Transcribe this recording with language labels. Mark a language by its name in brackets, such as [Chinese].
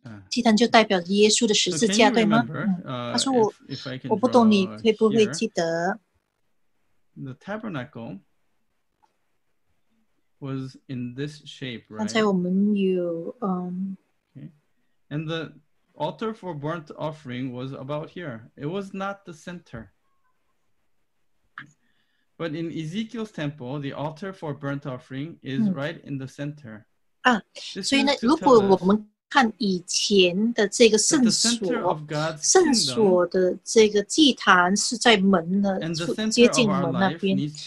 [Chinese] 祭坛就代表耶稣的十字架，对吗？他说我不懂，你会不会记得 [English] ？The tabernacle was in this shape, right? [Chinese] 刚才我们有 [English] Okay. And the altar for burnt offering was about here. It was not the center. But in Ezekiel's temple, the altar for burnt offering is right in the center. [Chinese] 啊，所以呢，如果我们看以前的这个圣所，圣所的这个祭坛是在门呢，接近门那边。